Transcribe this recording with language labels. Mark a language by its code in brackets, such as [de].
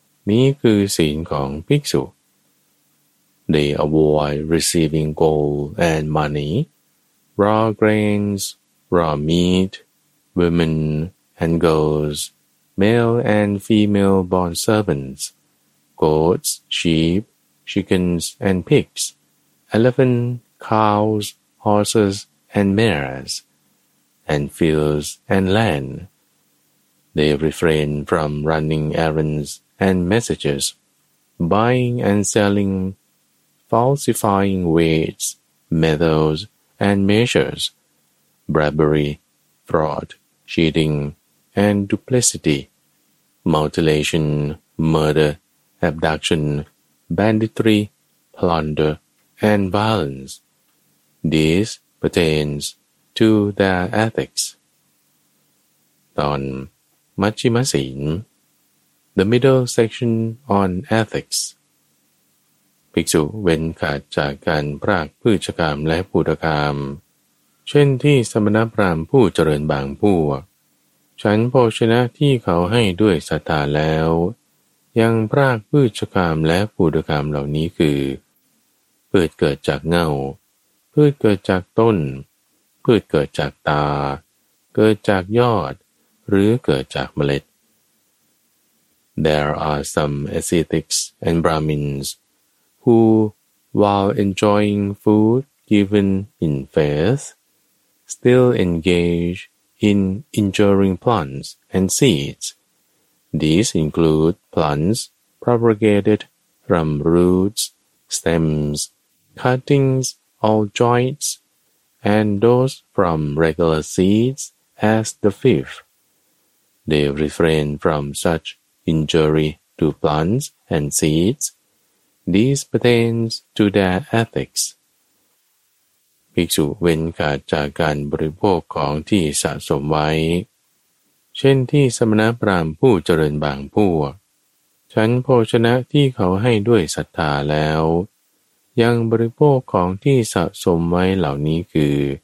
[th] นี้คือศีลของภิกษุ [en] They avoid receiving gold and money, raw grains, raw meat, women and girls, male and female bond servants, goats, sheep, chickens and pigs. Elephant, cows, horses, and mares, and fields and land. They refrain from running errands and messages, buying and selling, falsifying weights, methods, and measures, bribery, fraud, cheating, and duplicity, mutilation, murder, abduction, banditry, plunder,and violence. This pertains to their ethics. [th] ตอนมัชฌิมศีล [en] the middle section on ethics. [th] ภิกษุเว้นขาดจากการพรากพืชกรรมและภูตกรรมเช่นที่สมณพราหมณ์ผู้เจริญบางพวกฉันโภชนะที่เขาให้ด้วยศรัทธาแล้วยังพรากพืชกรรมและภูตกรรมเหล่านี้คือ พืชเกิดจากเหง้าพืชเกิดจากต้นพืชเกิดจากตาเกิดจากยอดหรือเกิดจากเมล็ด [en] There are some ascetics and Brahmins who, while enjoying food given in faith, still engage in injuring plants and seeds. These include plants propagated from roots, stems, cuttings, or joints, and those from regular seeds as the fifth. They refrain from such injury to plants and seeds. This pertains to their ethics. [th] ภิกษุเว้นขาดจากการบริโภคของที่สะสมไว้เช่นที่สมณพราหมณ์ผู้เจริญบางพวกฉันโภชนะที่เขาให้ด้วยศรัทธาแล้วยังบริโภคของที่สะสมไว้เหล่านี้คือ